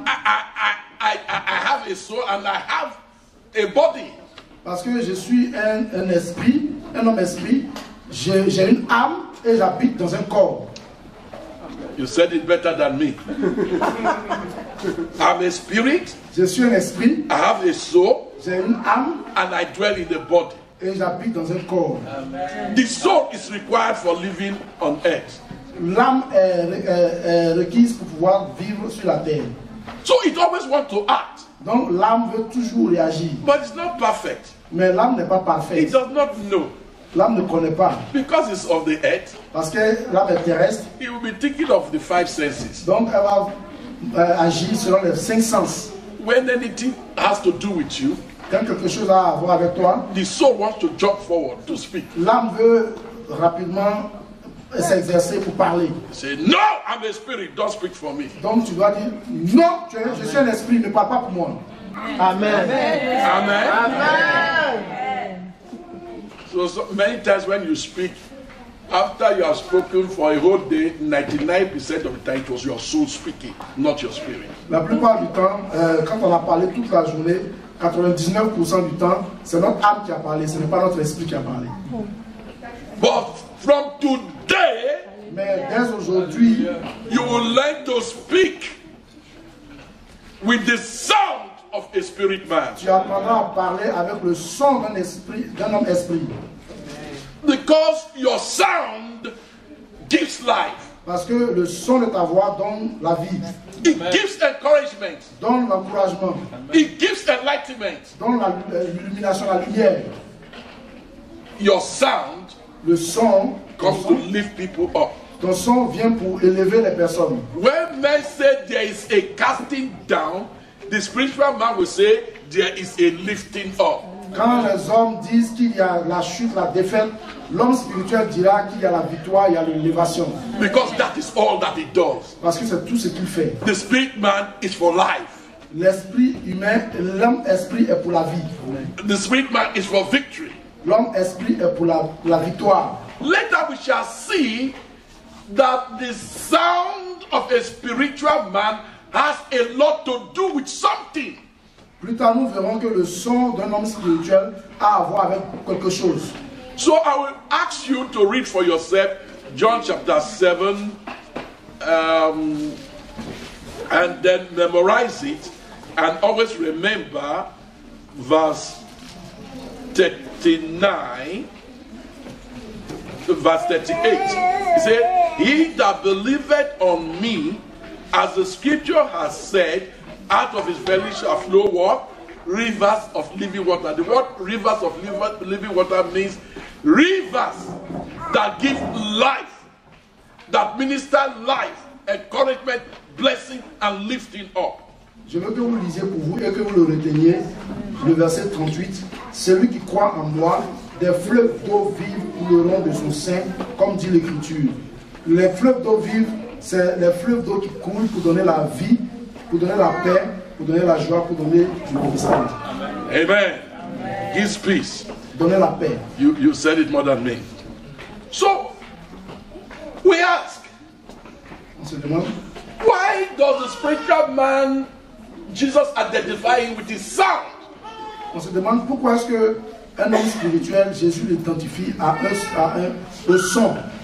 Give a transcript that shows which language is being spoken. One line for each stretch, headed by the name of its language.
English: I have a soul and I have a body.
French: Parce que je suis un esprit, un homme esprit. J'ai une âme. Et j'habite dans un corps.
English: You said it better than me. I'm a spirit.
French: Je suis un esprit.
English: I have a soul.
French: J'ai une âme.
English: And I dwell in the body.
French: Et j'habite dans un corps.
English: Amen. The soul is required for living on earth.
French: L'âme est requise pour pouvoir vivre sur la terre.
English: So it always wants to act.
French: Donc l'âme veut toujours réagir.
English: But it's not perfect.
French: Mais l'âme n'est pas parfaite.
English: It does not know.
French: L'âme ne connaît pas.
English: Because it's of the earth.
French: Parce que l'âme est terrestre.
English: He will be thinking of the five senses.
French: Donc elle va agir selon les cinq sens.
English: When anything has to do with you,
French: quand quelque chose a à voir avec toi,
English: the soul wants to jump forward to speak.
French: L'âme veut rapidement s'exercer pour parler.
English: Say no, I'm a spirit. Don't speak for me.
French: Donc tu dois dire non, je suis un esprit, ne parle pas pour moi.
English: Amen. Amen. Amen. Amen. Amen. So many times when you speak, after you have spoken for a whole day, 99% of the time it was your soul speaking, not your spirit.
French: La plupart du temps, quand on a parlé toute la journée, 99% du temps, c'est notre âme qui a parlé, ce n'est pas notre esprit qui a parlé.
English: But from today,
French: mais dès aujourd'hui,
English: you will learn to speak with the sound of a spirit man.
French: Tu apprendras à parler avec le son d'un esprit, d'un homme esprit.
English: Because your sound gives life.
French: Parce que le son de ta voix donne la vie.
English: It gives encouragement.
French: Donne l'encouragement.
English: It gives enlightenment.
French: Donne l'illumination, la lumière.
English: Your sound,
French: le son,
English: comes to lift people up.
French: Ton son vient pour élever les personnes.
English: When men say there is a casting down, the spiritual man will say there is a lifting up.
French: Quand les hommes disent qu'il y a la chute, la défaite, l'homme spirituel dira qu'il y a la victoire, il y a l'élévation.
English: Because that is all that he does.
French: Parce que c'est tout ce qu'il fait.
English: The spirit man is for life.
French: L'esprit humain, l'homme esprit est pour la vie.
English: The spirit man is for victory.
French: L'homme esprit est pour la victoire.
English: Later we shall see that the sound of a spiritual man has a lot to do with something.
French: Plus tard, nous verrons que le son d'un homme spirituel a à voir avec quelque chose.
English: So I will ask you to read for yourself John chapter 7 and then memorize it and always remember verse 38. He said, he that believeth on me, as the scripture has said, out of his belly shall flow what? Rivers of living water. The word rivers of living water means rivers that give life, that minister life, encouragement, blessing, and lifting up.
French: Je veux que vous lisiez pour vous et que vous le reteniez. Le verset 38. Celui qui croit en moi, des fleuves d'eau vive couleront de son sein, comme dit l'Écriture. Les fleuves d'eau vive, c'est les fleuves d'eau qui coulent pour donner la vie, pour donner la paix, pour donner la joie, pour donner du bon sens.
English: Amen. Amen. His peace.
French: Donner la paix.
English: You said it more than me. So, we ask.
French: On se demande.
English: Why does the spiritual man Jesus identify him with his sound?
French: On se demande pourquoi est-ce que un homme spirituel Jésus l'identifie à un son.